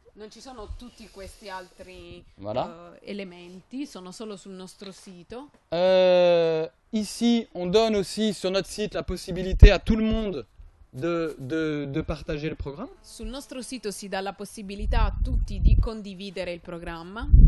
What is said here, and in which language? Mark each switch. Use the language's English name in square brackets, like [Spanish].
[Italian] Non ci sono tutti questi altri [French] voilà. [Italian] Elementi, sono solo sul nostro sito. [French] Ici, on donne aussi sur notre site la possibilité à tout le monde de partager le programme. [Italian] Sul nostro sito si dà la possibilità a tutti di condividere il programma.